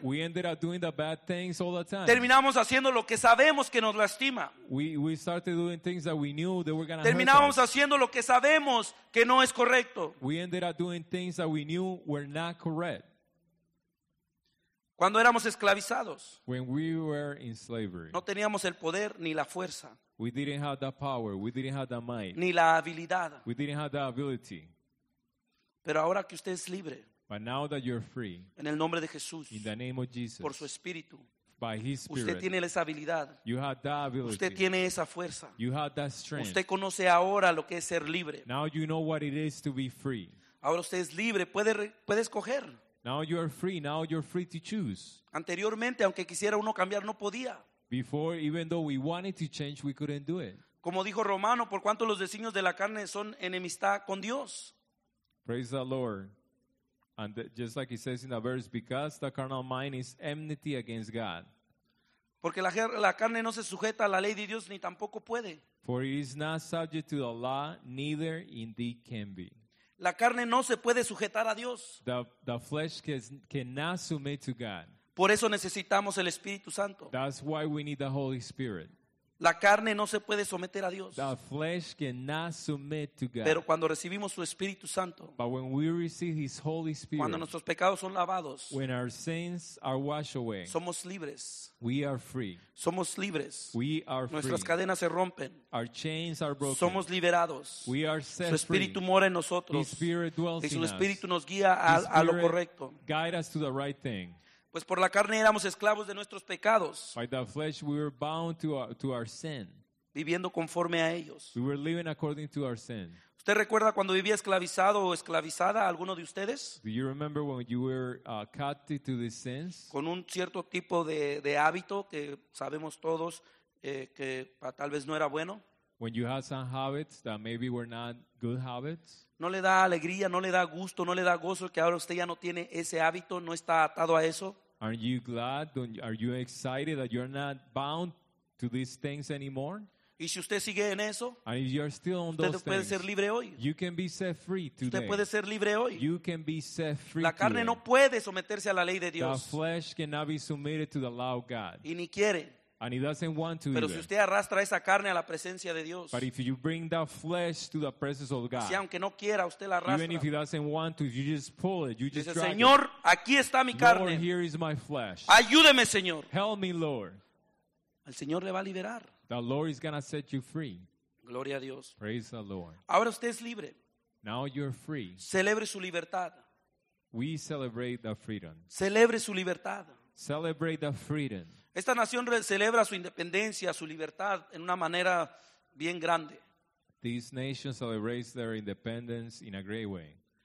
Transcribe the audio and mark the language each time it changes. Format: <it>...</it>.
<en>We ended up doing the bad things all the time.</en> <es>Terminábamos haciendo lo que sabemos que nos lastima.</es> <en>We started doing things that we knew they were going to hurt us.</en> <es>Terminábamos haciendo lo que sabemos que no es correcto.</es> <en>We ended up doing things that we knew were not correct.</en> <es>Cuando éramos esclavizados,</es> <en>when we were in slavery,</en> <es>no teníamos el poder ni la fuerza.</es> <en>We didn't have the power. We didn't have the might.</en> <es>Ni la habilidad.</es> <en>We didn't have the ability.</en> <es>Pero ahora que usted es libre,</es> <en>but now that you're free,</en> <es>en el nombre de Jesús,</es> <en>in the name of Jesus,</en> <es>por su espíritu,</es> <en>by his spirit,</en> <es>usted tiene esa habilidad.</es> <en>You have that ability.</en> <es>Usted tiene esa fuerza.</es> <en>You have that strength.</en> <es>Usted conoce ahora lo que es ser libre.</es> <en>Now you know what it is to be free.</en> <es>Ahora usted es libre. Puede escoger.</es> <en>Now you are free. Now you're free to choose.</en> <es>Anteriormente, aunque quisiera uno cambiar, no podía.</es> <en>Before, even though we wanted to change, we couldn't do it.</en> <es>Como dijo Romano, por cuanto los designios de la carne son enemistad con Dios.</es> <en>Praise the Lord. And just like he says in the verse, because the carnal mind is enmity against God.</en> <es>Porque la carne no se sujeta a la ley de Dios, ni tampoco puede.</es> <en>For it is not subject to the law, neither indeed can be.</en> <es>La carne no se puede sujetar a Dios.</es> <en>The flesh cannot submit to God.</en> <es>Por eso necesitamos el Espíritu Santo.</es> <en>That's why we need the Holy Spirit.</en> <es>La carne no se puede someter a Dios.</es> <en>The flesh cannot submit to God.</en> <es>Pero cuando recibimos su Espíritu Santo,</es> <en>but when we receive his Holy Spirit,</en> <es>cuando nuestros pecados son lavados,</es> <en>when our sins are washed away,</en> <es>somos libres.</es> <en>We are free.</en> <es>Somos libres.</es> <en>We are free.</en> <es>Nuestras cadenas se rompen.</es> <en>Our chains are broken.</en> <es>Somos liberados.</es> <en>We are set free.</en> <es>Su Espíritu mora en nosotros.</es> <en>His Spirit dwells in us.</en> <es>Y su Espíritu nos guía a lo correcto.</es> <en>Guide us to the right thing.</en> <es>Pues por la carne éramos esclavos de nuestros pecados.</es> <en>By the flesh we were bound to our sin.</en> <es>viviendo conforme a ellos.</es> <en>We were living according to our sin.</en> <es>¿Usted recuerda cuando vivía esclavizado o esclavizada a alguno de ustedes?</es> <en>Do you remember when you were captive to these sins?</en> <es>Con un cierto tipo de hábito que sabemos todos que tal vez no era bueno.</es> <en>When you had some habits that maybe were not good habits.</en> <es>No le da alegría, no le da gusto, no le da gozo que ahora usted ya no tiene ese hábito, no está atado a eso.</es> <en>Aren't you glad? Are you excited that you're not bound to these things anymore?</en> <es>Y si usted sigue en eso,</es> <en>and if you're still on</en> <es>usted</es> <en>those</en> <es>puede</es> <en>things,</en> <es>ser libre hoy.</es> <en>You can be set free today.</en> <es>Usted puede ser libre hoy.</es> <en>You can be set free.</en> <es>La carne</es> <en>today.</en> <es>No puede someterse a la ley de Dios.</es> <en>The flesh cannot be submitted to the law of God.</en> <es>Y ni quiere.</es> <en>And he doesn't want to.</en> <es>Pero</es> <en>either.</en> <es>Si usted arrastra esa carne a la presencia de Dios,</es> <en>but if you bring that flesh to the presence of God,</en> <es>si aunque no quiera, usted la arrastra,</es> <en>even if he doesn't want to, if you just pull it, you just drag Señor, it.</en> <es>Aquí está mi carne.</es> <en>Lord, here is my flesh.</en> <es>Ayúdeme, Señor.</es> <en>Help me, Lord.</en> <es>El Señor le va a liberar.</es> <en>The Lord is going to set you free.</en> <es>Gloria a Dios.</es> <en>Praise the Lord.</en> <es>Ahora usted es libre.</es> <en>Now you're free.</en> <es>Celebre su libertad.</es> <en>We celebrate the freedom.</en> <es>Celebre su libertad.</es> <en>Celebrate the freedom.</en> <es>Esta nación celebra su independencia, su libertad, en una manera bien grande.</es> <en>This nation celebrates their independence in a great way.</en>